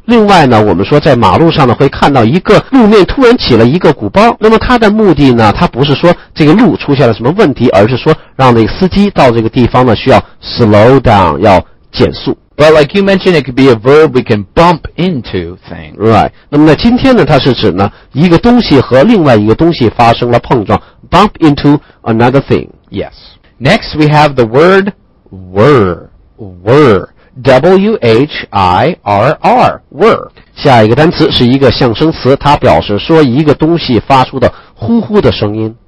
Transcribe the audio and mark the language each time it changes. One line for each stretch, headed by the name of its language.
Chinese: 另外呢，我们说在马路上呢会看到一个路面突然起了一个鼓包，那么它的目的呢，它不是说这个路出现了什么问题，而是说让这个司机到这个地方呢需要
English: slow down，
Chinese: 要减速。
English: But like you mentioned, it could be a verb we can bump into things. Right.
Chinese: 那么呢今天呢它是指呢一个东西和另外一个东西发生了碰撞
English: bump into another thing. Yes. Next, we have the word whirr. W-H-I-R-R. Whirr.
Chinese: 下一个单词是一个象声词，它表示说一个东西发出的呼呼的声音。